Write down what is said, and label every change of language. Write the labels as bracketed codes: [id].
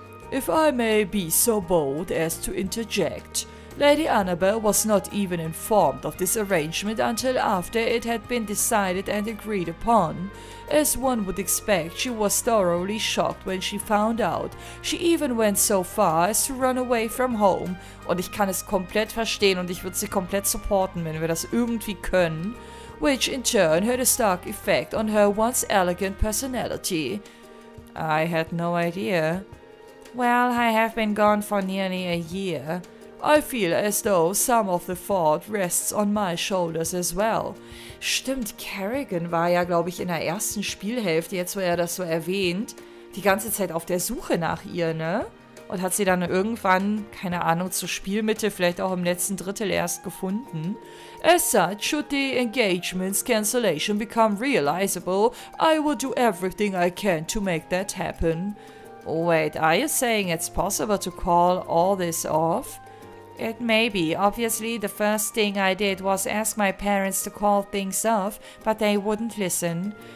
[en] If I may be so bold as to interject, Lady Annabelle was not even informed of this arrangement until after it had been decided and agreed upon. As one would expect, she was thoroughly shocked when she found out. She even went so far as to run away from home. [de] Und ich kann es komplett verstehen und ich würde sie komplett supporten, wenn wir das irgendwie können. [en] Which in turn had a stark effect on her once elegant personality. I had no idea. Well, I have been gone for nearly a year. I feel as though some of the fault rests on my shoulders as well. [de] Stimmt, Kerrigan war ja, glaube ich, in der ersten Spielhälfte, jetzt wo er das so erwähnt, die ganze Zeit auf der Suche nach ihr, ne? Und hat sie dann irgendwann, keine Ahnung, zur Spielmitte, vielleicht auch im letzten Drittel erst gefunden. [en] As such, should the engagement's cancellation become realizable, I will do everything I can to make that happen. Wait, are you saying it's possible to call all this off? It may be. Obviously, the first thing I did was ask my parents to call things off, but they wouldn't listen.